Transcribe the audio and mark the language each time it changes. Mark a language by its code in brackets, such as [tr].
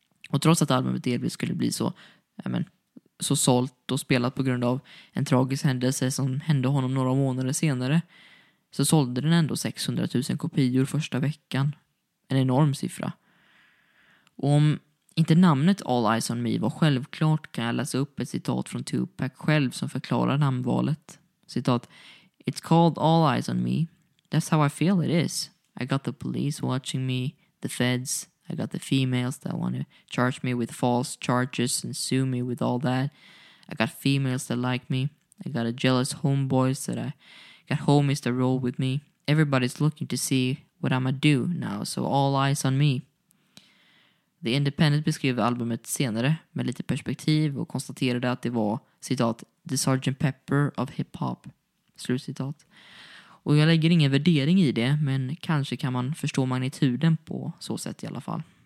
[sv] Och trots att albumet delvis skulle bli så, så sålt och spelat på grund av en tragisk händelse som hände honom några månader senare, så sålde den ändå 600 000 kopior första veckan. En enorm siffra. Och om inte namnet All Eyes on Me var självklart, kan jag läsa upp ett citat från Tupac själv som förklarar namnvalet. [en] Citat: "It's called All Eyes on Me. That's how I feel it is. I got the police watching me, the feds. I got the females that want to charge me with false charges and sue me with all that. I got females that like me. I got a jealous homeboys that I got homies that roll with me. Everybody's looking to see what I'ma do now, so all eyes on me." [sv] The Independent beskrev albumet senare med lite perspektiv och konstaterade att det var, citat, "the Sgt. Pepper of hiphop", slut citat. Och jag lägger ingen värdering i det, men kanske kan man förstå magnituden på så sätt i alla fall.